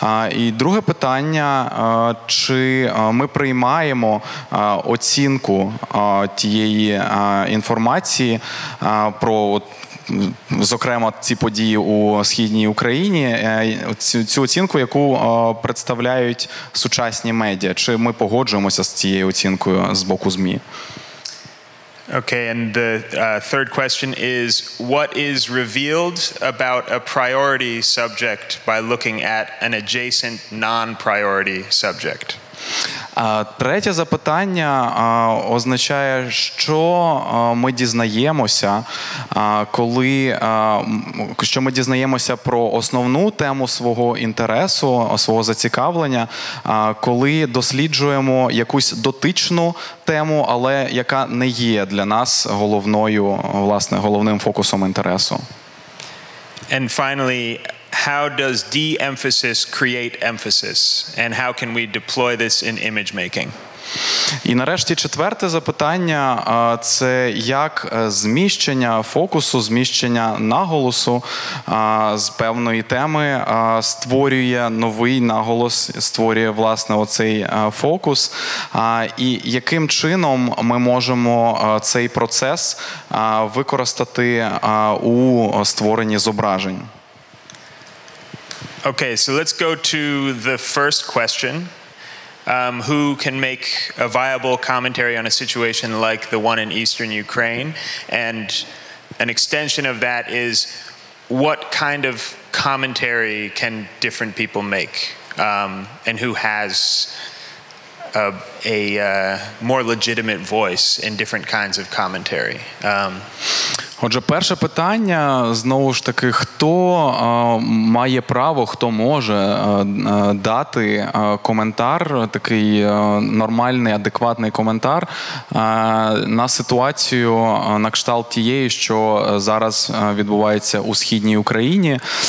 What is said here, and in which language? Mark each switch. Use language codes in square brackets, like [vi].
[uk] І друге питання, чи ми приймаємо оцінку тієї інформації про, зокрема, ці події у Східній Україні, цю оцінку, яку представляють сучасні медіа. Чи ми погоджуємося з цією оцінкою з боку ЗМІ? [en] Okay, and the third question is, what is revealed about a priority subject by looking at an adjacent non-priority subject? [uk] Третє запитання означає, що ми дізнаємося, коли що ми дізнаємося про основну тему свого інтересу, свого зацікавлення, коли досліджуємо якусь дотичну тему, але яка не є для нас головною, власне, головним фокусом інтересу. [en] And finally, how does de-emphasis create emphasis, and how can we deploy this in image making? [uk] І нарешті четверте запитання – це як зміщення фокусу, зміщення наголосу з певної теми створює новий наголос, створює, власне, оцей фокус. І яким чином ми можемо цей процес використати у створенні зображень? [en] Okay, so let's go to the first question. Who can make a viable commentary on a situation like the one in Eastern Ukraine? And an extension of that is, what kind of commentary can different people make? And who has a more legitimate voice in different kinds of commentary? [uk] Отже, перше питання, знову ж таки, хто має право, хто може дати коментар, такий нормальний, адекватний коментар на ситуацію на кшталт тієї, що зараз відбувається у Східній Україні,